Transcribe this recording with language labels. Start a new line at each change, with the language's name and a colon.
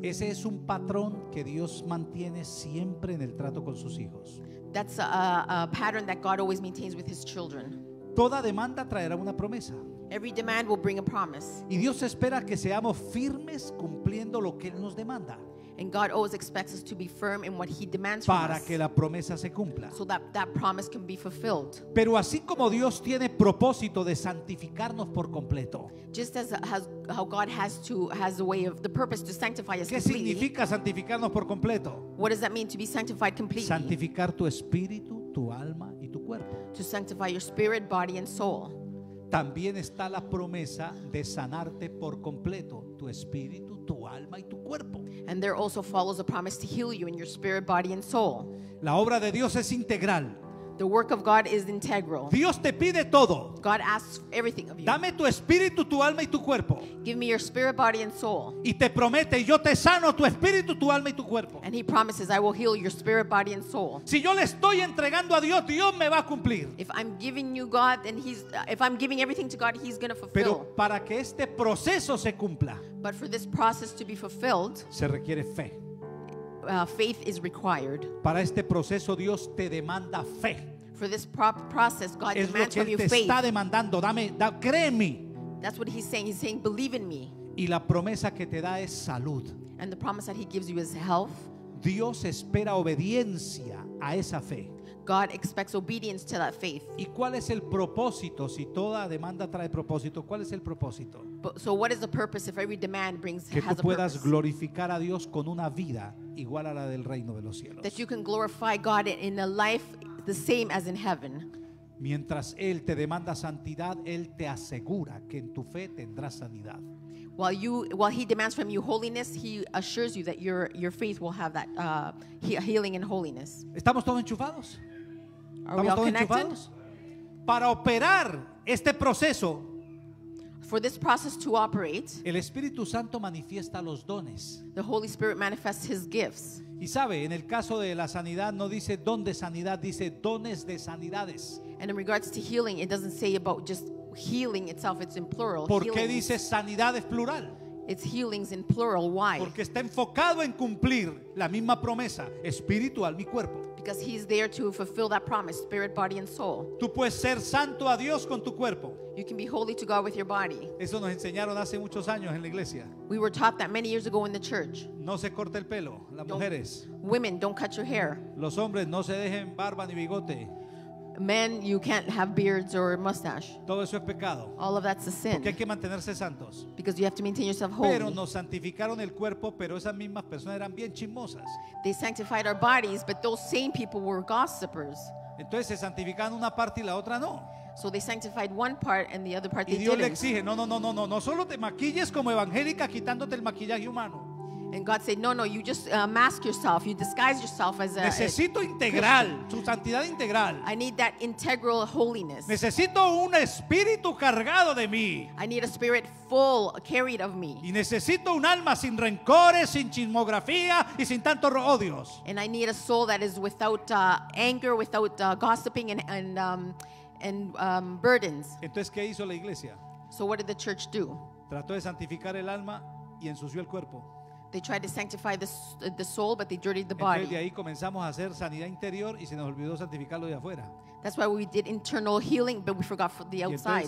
Spanish: Ese es un patrón que Dios mantiene siempre en el trato con sus hijos.
English: That's a pattern that God always maintains with his children.
Spanish: Toda demanda traerá una promesa.
English: Every demand will bring a promise.
Spanish: Y Dios espera que seamos firmes cumpliendo lo que él nos demanda.
English: And God always expects us to be firm in what he demands from us.
Spanish: Para que la promesa se cumpla.
English: So that promise can be fulfilled.
Spanish: Pero así como Dios tiene propósito de santificarnos por completo.
English: Just as how God has the way of the purpose to sanctify us completely.
Spanish: ¿Qué significa santificarnos por completo?
English: What does that mean to be sanctified completely?
Spanish: Santificar tu espíritu, tu alma y tu cuerpo.
English: To sanctify your spirit, body and soul.
Spanish: También está la promesa de sanarte por completo, tu espíritu, tu alma y tu cuerpo.
English: And there also follows a promise to heal you in your spirit, body and soul.
Spanish: La obra de Dios es integral.
English: The work of God is integral.
Spanish: Dios te pide todo.
English: God asks everything of you.
Spanish: Dame tu espíritu, tu alma y tu cuerpo.
English: Give me your spirit, body and soul.
Spanish: Y te promete, yo te sano tu espíritu, tu alma y tu cuerpo.
English: And he promises, I will heal your spirit, body and soul.
Spanish: Si yo le estoy entregando a Dios, Dios me va a cumplir.
English: If I'm giving you God and he's if I'm giving everything to God, he's going to fulfill.
Spanish: Pero para que este proceso se cumpla,
English: but for this process to be fulfilled,
Spanish: se requiere fe.
English: Faith is required.
Spanish: Para este proceso, Dios te demanda fe.
English: For this process, God
Spanish: es
English: demands
Spanish: lo que
English: of you faith.
Spanish: Está demandando. Dame, cree en mí.
English: That's what he's saying. He's saying, believe in me.
Spanish: Y la promesa que te da es salud.
English: And the promise that he gives you is health.
Spanish: Dios espera obediencia a esa fe.
English: God expects obedience to that faith.
Spanish: ¿Y cuál es el propósito? Si toda demanda trae propósito, ¿cuál es el propósito?
English: So what is the purpose if every demand brings has a purpose?
Spanish: Que tú puedas glorificar a Dios con una vida igual a la del reino de los cielos.
English: That you can glorify God in a life the same as in heaven.
Spanish: Mientras Él te demanda santidad, Él te asegura que en tu fe tendrás sanidad.
English: While he demands from you holiness, he assures you that your faith will have that healing and holiness.
Spanish: ¿Estamos todos enchufados?
English: Are we all connected?
Spanish: Para operar este proceso,
English: for this process to operate,
Spanish: el Espíritu Santo manifiesta los dones.
English: The Holy Spirit manifests his gifts.
Spanish: Y sabe, en el caso de la sanidad no dice don de sanidad, dice dones de sanidades.
English: And in regards to healing, it doesn't say about just healing itself, it's in plural.
Spanish: ¿Por qué dice sanidad es plural?
English: It's healings in plural. Why?
Spanish: Porque está enfocado en cumplir la misma promesa, espíritu, alma y cuerpo.
English: Because he's there to fulfill that promise, spirit, body and soul.
Spanish: Tú puedes ser santo a Dios con tu cuerpo.
English: You can be holy to God with your body.
Spanish: Eso nos enseñaron hace muchos años en la iglesia.
English: We were taught that many years ago in the church.
Spanish: No se corte el pelo, las mujeres.
English: Women, don't cut your hair.
Spanish: Los hombres, no se dejen barba ni bigote.
English: Men, you can't have beards or mustache.
Spanish: Todo eso es pecado.
English: All of that's a sin.
Spanish: Porque hay que mantenerse santos.
English: Because you have to maintain yourself holy.
Spanish: Pero nos santificaron el cuerpo, pero esas mismas personas eran bien chismosas.
English: They sanctified our bodies, but those same people were gossipers.
Spanish: Entonces se santificaban una parte y la otra no.
English: So they sanctified one part and the other part they didn't.
Spanish: Y Dios le exige, no solo te maquilles como evangélica quitándote el maquillaje humano.
English: And God said, no, you just mask yourself, you disguise yourself as a
Spanish: necesito integral, a su santidad integral.
English: I need that integral holiness.
Spanish: Necesito un espíritu cargado de mí.
English: I need a spirit full, carried of me.
Spanish: Y necesito un alma sin rencores, sin chismografía y sin tantos odios.
English: And I need a soul that is without anger, without gossiping and burdens.
Spanish: Entonces, ¿qué hizo la iglesia?
English: So what did the church do?
Spanish: Trató de santificar el alma y ensució el cuerpo.
English: They tried to sanctify the soul, but they dirtied the body.
Spanish: De ahí comenzamos a hacer sanidad interior y se nos olvidó santificarlo de afuera.
English: That's why we did internal healing, but we forgot for the outside.